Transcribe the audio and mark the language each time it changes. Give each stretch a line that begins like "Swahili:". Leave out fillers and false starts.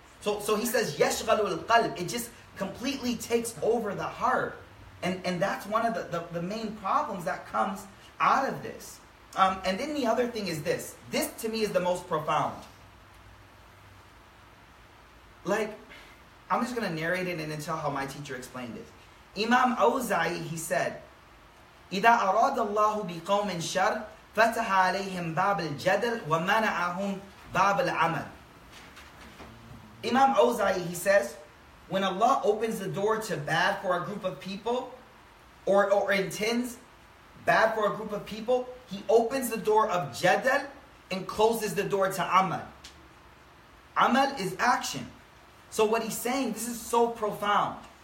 English: So he says,
Arabic: yashghalu al-qalb.
English: It just completely takes over the heart. And that's one of the main problems that comes out of this. And then the other thing is this. This to me is the most profound. Like, I'm just going to narrate it and then tell how my teacher explained it.
Arabic: Imam Awza'i,
English: he said,
Arabic: إِذَا أَرَادَ اللَّهُ بِقَوْمٍ شَرْ فَتَحَ عَلَيْهِمْ بَابِ الْجَدَلْ وَمَنَعَهُمْ بَابِ الْعَمَلْ.
English: Imam Awza'i, he says, when Allah opens the door to bad for a group of people, or intends bad for a group of people, He opens the door of jadal and closes the door to amal. Amal is action. So what he's saying, this is so profound.